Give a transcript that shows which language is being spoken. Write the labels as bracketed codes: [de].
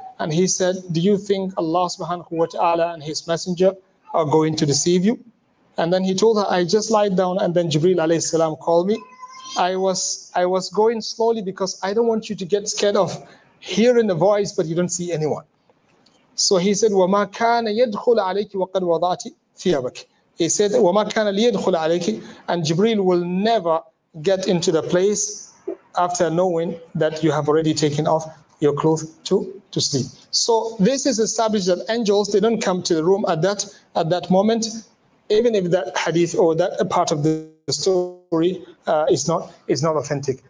[en] And he said, do you think Allah subhanahu wa ta'ala and his messenger are going to deceive you? And then he told her, I just lied down and then Jibreel alayhi salam called me. I was going slowly because I don't want you to get scared of hearing the voice, but you don't see anyone. So he said, [ar] وَمَا كَانَ يَدْخُلَ عَلَيْكِ وَقَدْ وَضَعْتِ ثِيَابَكِ. [en] He said, [ar] وَمَا كَانَ لِيَدْخُلَ عَلَيْكِ. [en] And Jibreel will never get into the place after knowing that you have already taken off your clothes to sleep. So this is established that angels, they don't come to the room at that moment, even if that hadith or that part of the story is not authentic.